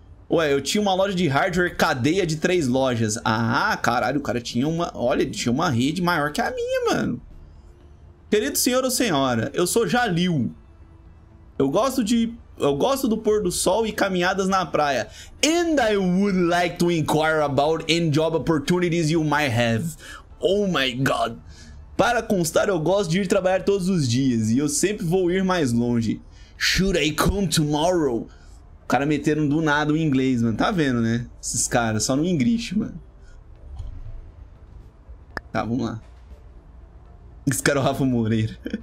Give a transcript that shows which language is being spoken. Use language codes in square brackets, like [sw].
[pt] Ué, eu tinha uma loja de hardware cadeia de 3 lojas. Ah, caralho, o cara tinha uma... Olha, ele tinha uma rede maior que a minha, mano. Querido senhor ou senhora, eu sou Jalil. Eu gosto do pôr do sol e caminhadas na praia. [en] And I would like to inquire about any job opportunities you might have. Oh my god. [pt] Para constar, eu gosto de ir trabalhar todos os dias e eu sempre vou ir mais longe. [en] Should I come tomorrow? [pt] O cara meteram do nada o inglês, mano. Tá vendo, né? Esses caras, só no inglês, mano. Tá, vamos lá. Esse cara é o Rafa Moreira.